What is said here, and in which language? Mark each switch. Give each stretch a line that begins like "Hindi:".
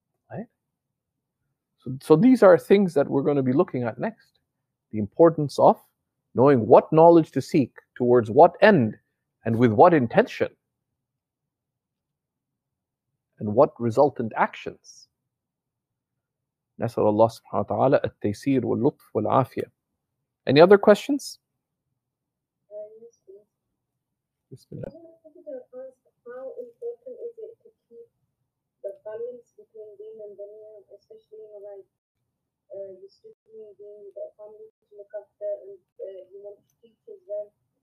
English: Right? So these are things that we're going to be looking at next. The importance of knowing what knowledge to seek, towards what end, and with what intention, and what resultant actions.
Arabic: نسأل الله سبحانه وتعالى التيسير واللطف والعافية.
English: Any other questions? Bismillah. How important is it to keep the balance between deen and dunya, especially like the student being the family to look after and you want to teach as well?